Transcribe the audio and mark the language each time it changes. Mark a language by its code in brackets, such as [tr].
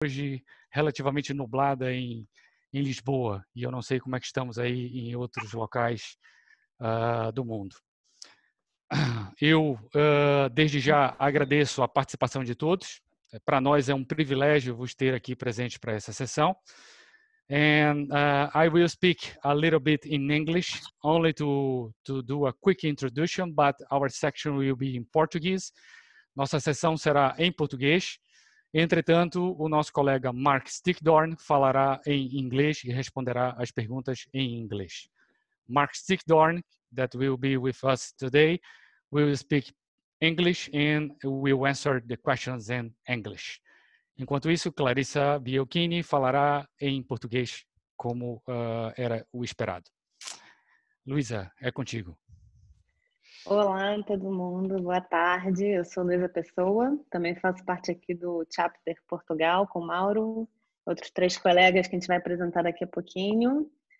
[pt] Hoje relativamente nublada em Lisboa, e eu não sei como é que estamos aí em outros locais do mundo. Eu desde já agradeço a participação de todos. Para nós é um privilégio vos ter aqui presente para essa sessão. [en] And I will speak a little bit in English, only to do a quick introduction, but our section will be in Portuguese. [pt] Nossa sessão será em português. Entretanto, o nosso colega Mark Stickdorn falará em inglês e responderá as perguntas em inglês. [en] Mark Stickdorn, that will be with us today, will speak English and will answer the questions in English. [pt] Enquanto isso, Clarissa Biocchini falará em português, como era o esperado. Luísa, é contigo. Olá, todo mundo. Boa tarde. Eu sou Luísa Pessoa. Também faço parte aqui do Chapter Portugal com Mauro, outros três colegas que a gente vai apresentar daqui a pouquinho.